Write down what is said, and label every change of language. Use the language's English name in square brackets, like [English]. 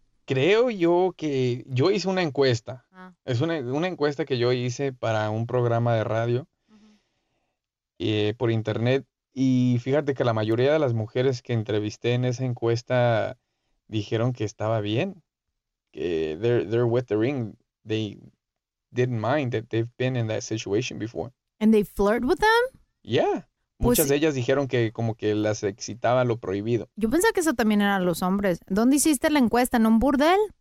[Spanish] Creo yo que yo hice una encuesta. Ah. Es una encuesta que yo hice para un programa de radio por internet. Y fíjate que la mayoría de las mujeres que entrevisté en esa encuesta dijeron que estaba bien. [English] Que they're with the ring. They didn't mind that they've been in that situation before. And they flirt with them? Yeah. [Spanish] Muchas de ellas dijeron que como que las excitaba lo prohibido. Yo pensaba que eso también eran los hombres. ¿Dónde hiciste la encuesta? ¿En un burdel?